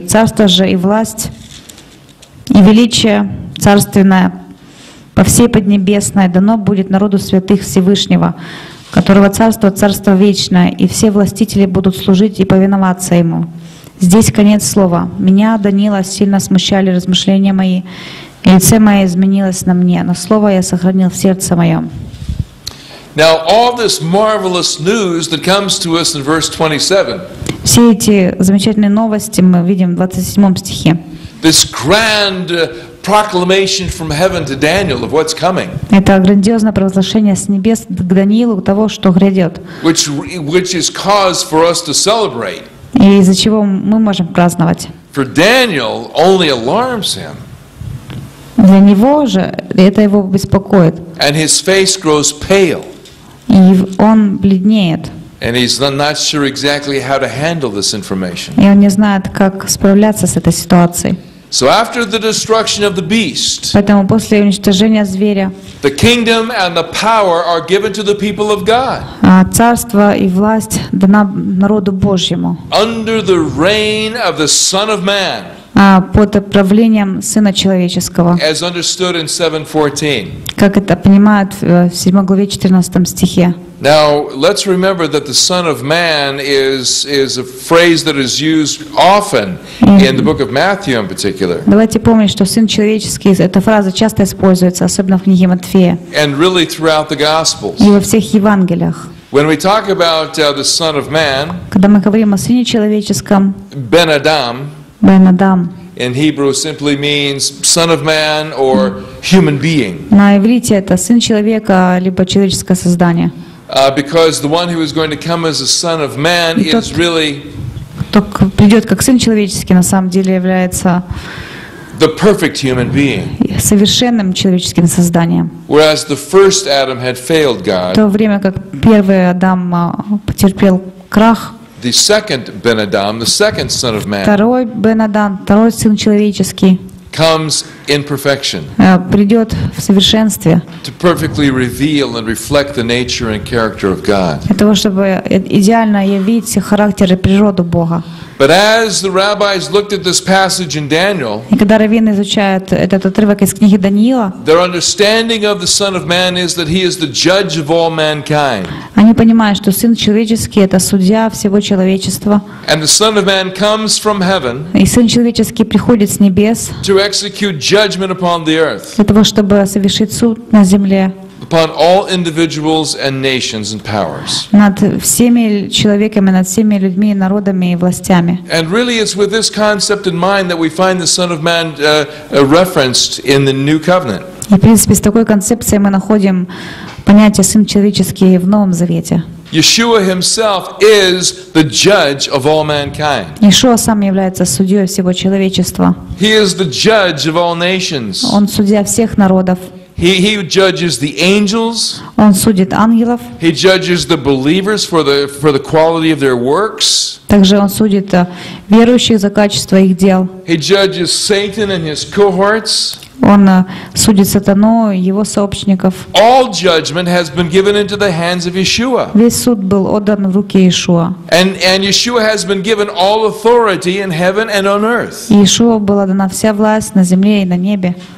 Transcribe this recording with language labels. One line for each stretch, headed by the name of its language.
Russian: Царство же и власть и величие царственное по всей поднебесной дано будет народу святых Всевышнего, которого царство царство вечное, и все властители будут служить и повиноваться ему. Здесь конец слова. Меня, Даниила, сильно смущали размышления мои, и лице мое изменилось на мне, но слово я сохранил в сердце моем.
English: Now all this marvelous news that comes to us in verse 27.
Russian: Все эти замечательные новости мы видим в 27 стихе.
English: This grand proclamation from heaven to Daniel of what's coming.
Russian: Это грандиозное провозглашение с небес к Даниилу того, что грядет.
English: Which is cause for us to celebrate.
Russian: И из-за чего мы можем праздновать.
English: For Daniel only alarms him.
Russian: Для него же это его беспокоит.
English: And his face grows pale.
Russian: И он бледнеет.
English: And he's not sure exactly how to handle this information.
Russian: И он не знает, как справляться с этой ситуацией.
English: So after the destruction of the beast,
Russian: поэтому после уничтожения зверя,
English: the kingdom and the power are given to the people of God.
Russian: Царство и власть дана народу Божьему.
English: Under the reign of the Son of Man.
Russian: Под правлением Сына Человеческого.
English: As understood in 7:14.
Russian: Как это понимают в 7 главе 14 стихе.
English: Now, let's remember that the Son of Man is a phrase that is used often in the book of Matthew in particular.
Russian: Давайте помнить, что Сын Человеческий — эта фраза часто используется, особенно в книге Матфея.
English: And really throughout the Gospels.
Russian: И во всех Евангелиях.
English: When we talk about the Son of Man,
Russian: когда мы говорим о Сыне Человеческом,
English: Бен-Адам, in Hebrew simply means son of man or human being.
Russian: На иврите это сын человека либо человеческое создание.
English: Because the one who is going to come as a son of man is really
Russian: придёт как сын человеческий на самом деле является
English: the perfect human being.
Russian: Совершенным человеческим созданием.
English: Whereas the first Adam had failed God.
Russian: В то время как первый Адам потерпел крах.
English: The second Ben-Adam, the second son of man.
Russian: Второй Бен-Адам, второй сын человеческий.
English: Comes in perfection.
Russian: Придёт в совершенстве.
English: To perfectly reveal and reflect the nature and character of God.
Russian: Для того, чтобы идеально явить характер и природу Бога.
English: But as the rabbis looked at this passage in Daniel,
Russian: и когда раввины изучают этот отрывок из книги Даниила,
English: their understanding of the Son of Man is that he is the judge of all mankind.
Russian: Они понимают, что Сын Человеческий — это судья всего человечества.
English: And the Son of Man comes from heaven.
Russian: И Сын Человеческий приходит с небес.
English: To execute judgment upon the earth.
Russian: Для того, чтобы совершить суд на земле.
English: Upon all individuals and nations and powers.
Russian: Над всеми человеками, над всеми людьми, народами и властями.
English: And really, it's with this concept in mind that we find the Son of Man referenced in the New Covenant.
Russian: И в принципе с такой концепцией мы находим понятие Сын Человеческий в Новом Завете.
English: Yeshua himself is the judge of all mankind.
Russian: Иешуа сам является судьёй всего человечества.
English: He is the judge of all nations.
Russian: Он судья всех народов.
English: He judges the angels.
Russian: Он судит ангелов.
English: He judges the believers for the quality of their works.
Russian: Также он судит верующих за качество их дел.
English: He judges Satan and his cohorts.
Russian: Он судит сатану и его сообщников.
English: All judgment has been given into the hands of Yeshua.
Russian: Весь суд был отдан в руки Иешуа.
English: And Yeshua has been given all authority in heaven and on earth.
Russian: Иешуа была дана вся власть на земле и на небе.